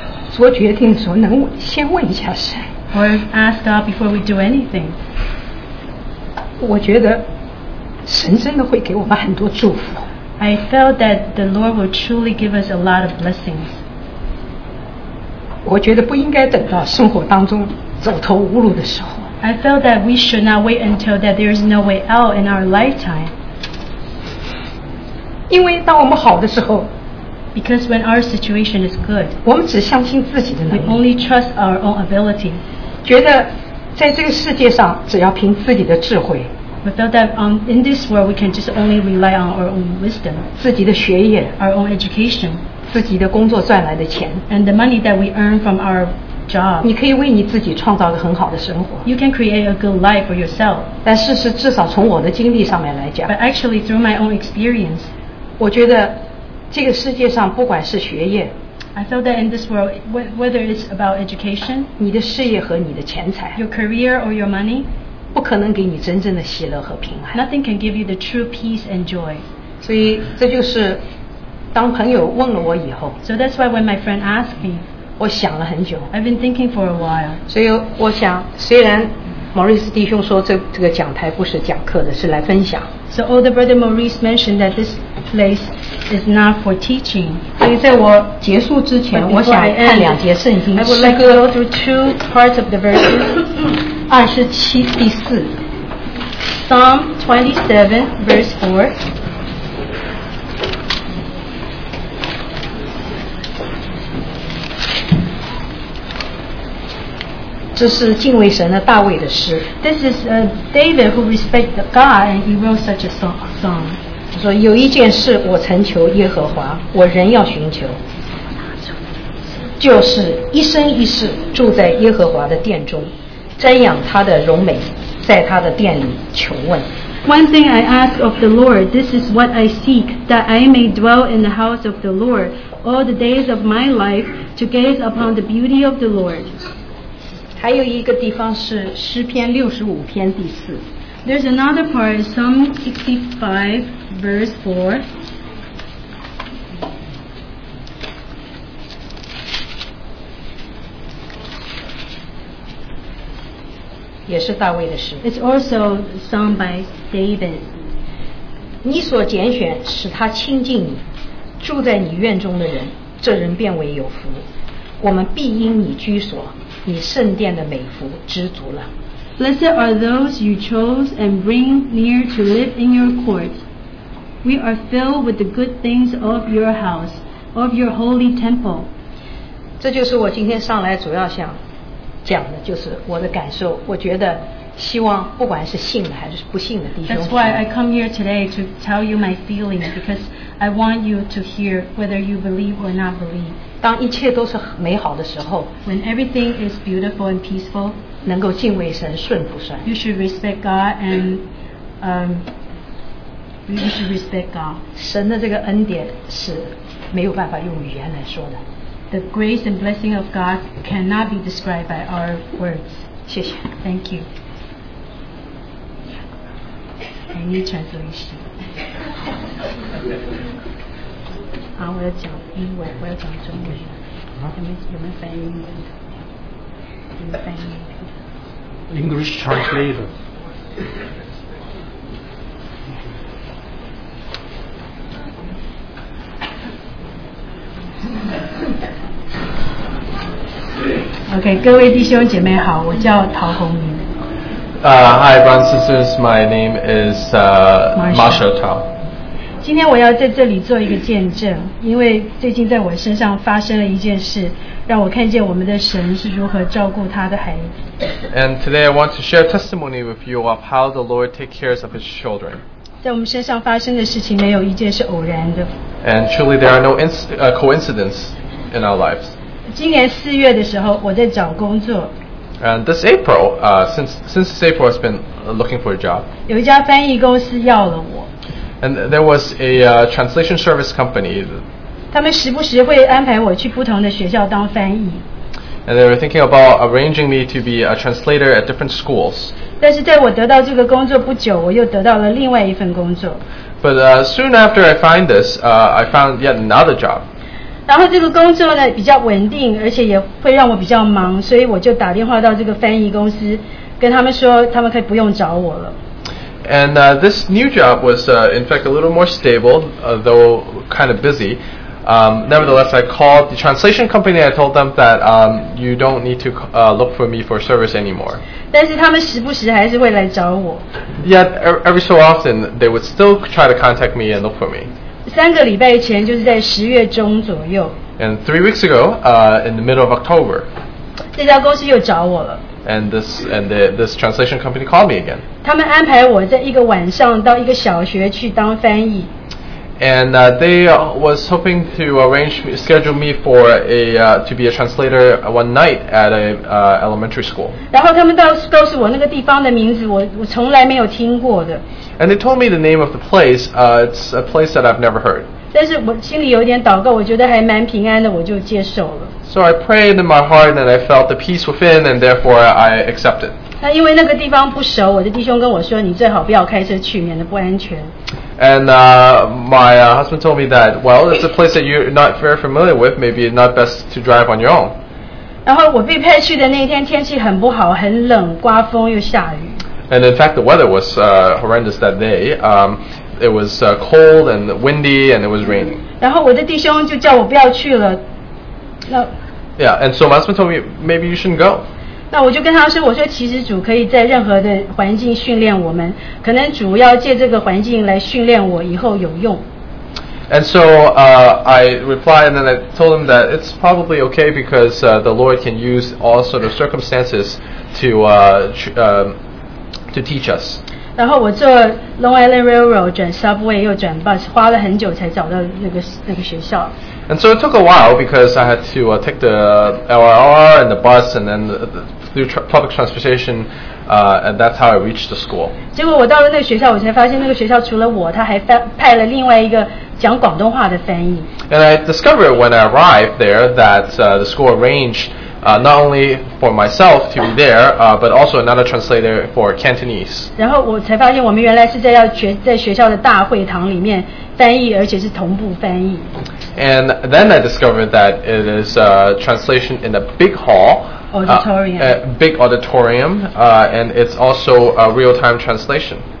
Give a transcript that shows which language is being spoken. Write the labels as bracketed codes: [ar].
[zh] 做决定的时候能先问一下神 [en] or ask God before we do anything. [zh] 我觉得神真的会给我们很多祝福 [en] I felt that the Lord will truly give us a lot of blessings. [zh] 我觉得不应该等到生活当中走投无路的时候 [en] I felt that we should not wait until that there is no way out in our lifetime. [zh] 因为当我们好的时候 [en] Because when our situation is good, [zh] 我们只相信自己的能力 [en] we only trust our own ability. [zh] 觉得在这个世界上只要凭自己的智慧 [en] We felt that in this world we can just only rely on our own wisdom, [zh] 自己的学业 [en] our own education, [zh] 自己的工作赚来的钱 [en] and the money that we earn from our Job. [zh] 你可以为你自己创造个很好的生活。 [en] You can create a good life for yourself. [zh] 但事实至少从我的经历上面来讲。 [en] But actually through my own experience, [zh] 我觉得这个世界上不管是学业 [en] ，I felt that in this world, whether it's about education, [zh] 你的事业和你的钱财 [en] ，your career or your money, [zh] 不可能给你真正的喜乐和平安。 [en] Nothing can give you the true peace and joy. [zh] 所以这就是当朋友问了我以后。 [en] So that's why when my friend asked me. [zh] 我想了很久 [en] I've been thinking for a while [zh] 所以我想虽然 Maurice 弟兄说这个讲台不是讲课的是来分享 [en] So older brother Maurice mentioned that this place is not for teaching [zh] 所以在我结束之前我想看两节圣经 [en] I would like to go through two parts of the verses [zh] 二十七第四 [en] Psalm 27 verse 4 [zh] 这是敬畏神的大卫的诗。 [en] This is David who respects God and he wrote such a song. [zh] 他说有一件事我曾求耶和华，我仍要寻求，就是一生一世住在耶和华的殿中，瞻仰他的荣美，在他的殿里求问。 [en] One thing I ask of the Lord, this is what I seek, that I may dwell in the house of the Lord all the days of my life to gaze upon the beauty of the Lord. [zh] 还有一个地方是诗篇六十五篇第四。 [en] There's another part, Psalm 65, verse 4. [zh] 也是大卫的诗。 [en] It's also sung by David. [zh] 你所拣选使他亲近你，住在你院中的人，这人变为有福。我们必因你居所，你圣殿的美福知足了。 [en] Blessed are those you chose and bring near to live in your court. We are filled with the good things of your house, of your holy temple. [zh] 这就是我今天上来主要想讲的，就是我的感受。我觉得希望不管是信的还是不信的弟兄。 [en] That's why I come here today to tell you my feeling, because I want you to hear whether you believe or not believe. [zh] 当一切都是美好的时候， [en] When everything is beautiful and peaceful, [zh] 能够敬畏神，顺服神。 [en] You should respect God and you should respect God. [zh] 神的这个恩典是没有办法用语言来说的。 [en] The grace and blessing of God cannot be described by our words. [zh] 谢谢。 [en] Thank you. I need translation. [zh] 好，我要讲英文，我要讲中文。有没有翻译英文的？有没有翻译英文 [en] 的 ？English translator. [zh] OK, 各位弟兄姐妹好，我叫陶宏明。 [en] Hi, brothers and sisters, my name is Marsha Tao. [zh] 今天我要在这里做一个见证，因为最近在我身上发生了一件事，让我看见我们的神是如何照顾他的孩子。 [en] And today I want to share testimony with you of how the Lord takes care of his children. [zh] 在我们身上发生的事情没有一件是偶然的。 [en] And truly there are no coincidence in our lives. [zh] 今年四月的时候，我在找工作。 [en] And this April, since April, I've been looking for a job. [zh] 有一家翻译公司要了我。 [en] And there was a translation service company. [zh] 他们时不时会安排我去不同的学校当翻译。 [en] And they were thinking about arranging me to be a translator at different schools. [zh] 但是在我得到这个工作不久，我又得到了另外一份工作。 [en] But soon after I find this, I found yet another job. [zh] 然后这个工作呢比较稳定，而且也会让我比较忙，所以我就打电话到这个翻译公司，跟他们说他们可以不用找我了。 [en] And this new job was in fact a little more stable, though kind of busy. Nevertheless, I called the translation company and I told them that you don't need to look for me for service anymore. [zh] 但是他们时不时还是会来找我。 [en] Yet every so often they would still try to contact me and look for me. [zh] 三个礼拜前，就是在十月中左右。 [en] And 3 weeks ago, in the middle of October, [zh] 这家公司又找我了。 [en] And this translation company called me again. [zh] 他们安排我在一个晚上到一个小学去当翻译。 [en] And they was hoping to arrange schedule me for a to be a translator one night at a elementary school. [zh] 然后他们告诉我那个地方的名字，我从来没有听过的。 [en] And they told me the name of the place. It's a place that I've never heard. [zh] 但是我心里有点祷告，我觉得还蛮平安的，我就接受了。 [en] So I prayed in my heart and I felt the peace within, and therefore I accepted. [zh] 那因为那个地方不熟，我的弟兄跟我说，你最好不要开车去，免得不安全。 [en] And my husband told me that, well, it's a place that you're not very familiar with, maybe not best to drive on your own. [zh] 然后我被派去的那天天气很不好，很冷，刮风又下雨。 [en] And in fact, the weather was horrendous that day. It was cold and windy and it was raining. [zh] 然后我的弟兄就叫我不要去了。 [en] Yeah, and so my husband told me, maybe you shouldn't go. [zh] 那我就跟他说，我说其实主可以在任何的环境训练我们，可能主要借这个环境来训练我以后有用。 [en] And so I replied and then I told him that it's probably okay because the Lord can use all sort of circumstances to teach us. [zh] 然后我坐 Long Island Railroad 转 Subway 又转 Bus， 花了很久才找到那个学校。 [en] And so it took a while because I had to take the LIR and the bus and then through public transportation, and that's how I reached the school. [zh] 结果我到了那个学校，我才发现那个学校除了我，他还派了另外一个讲广东话的翻译。 [en] And I discovered when I arrived there that the school arranged not only for myself to be there, but also another translator for Cantonese. [zh] 然后我才发现我们原来是在学校的大会堂里面翻译，而且是同步翻译。 [en] And then I discovered that it is translation in a big hall, auditorium. Big auditorium, and it's also a real-time translation.